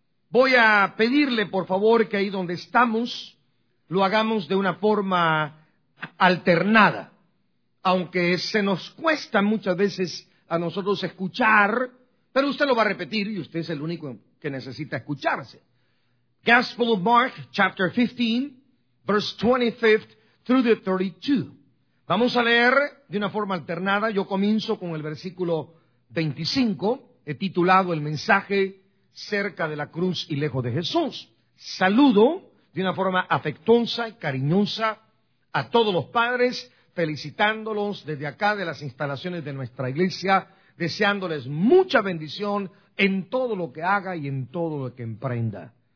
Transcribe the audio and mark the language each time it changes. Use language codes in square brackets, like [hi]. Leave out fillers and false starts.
[es] Voy a pedirle, por favor, que ahí donde estamos lo hagamos de una forma alternada. Aunque se nos cuesta muchas veces a nosotros escuchar, pero usted lo va a repetir y usted es el único que necesita escucharse. [en] Gospel of Mark, chapter 15, verse 25 through the 32. [es] Vamos a leer de una forma alternada. Yo comienzo con el versículo 25. He titulado el mensaje Cerca de la cruz y lejos de Jesús. Saludo de una forma afectuosa y cariñosa a todos los padres, felicitándolos desde acá de las instalaciones de nuestra iglesia, deseándoles mucha bendición en todo lo que haga y en todo lo que emprenda.